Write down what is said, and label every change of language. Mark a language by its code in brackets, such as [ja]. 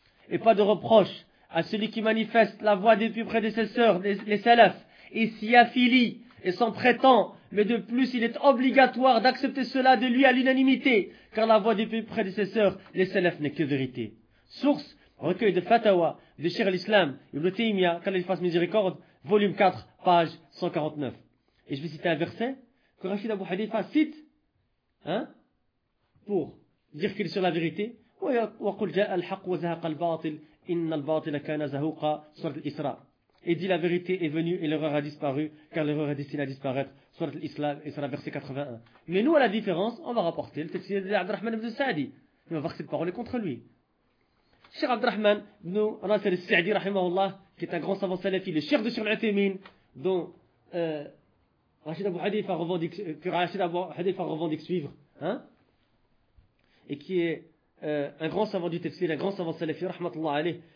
[fr] Et pas de reproche à celui qui manifeste la voie des plus prédécesseurs, les salafs, et s'y affilie et s'en prétend, mais de plus il est obligatoire d'accepter cela de lui à l'unanimité, car la voie des plus prédécesseurs, les salafs, n'est que vérité. Source, recueil de fatwa de Cheikh l'Islam Ibn Taymiyyah, qu'Allah lui fasse miséricorde, volume 4, page 149. Et je vais citer un verset que Rachid Abou Hadifa cite, hein, pour dire qu'il est sur la vérité. [ar] وقل جاء الحق وزهق الباطل إن الباطل كان زهوقا سورة الإسراء. [fr] Et dit la vérité est venue et l'erreur a disparu, car l'erreur est destinée à disparaître. Soit l'islam et sera verset 81. Mais nous, à la différence, on va rapporter le tafsir d'Abdurrahman ibn Sa'di. On va voir que cette parole est contre lui. Cheikh Abdurrahman ibn Nasser al-Sa'di, rahimahullah, qui est un grand savant salafi, le cheikh de Cheikh Al-Uthaymeen, dont Rachid Abu Hadif a revendiqué, que Rachid Abu Hadif a revendiqué suivre, hein, et qui est un grand savant du tafsir, un grand savant salafi, rahmatullah alayh.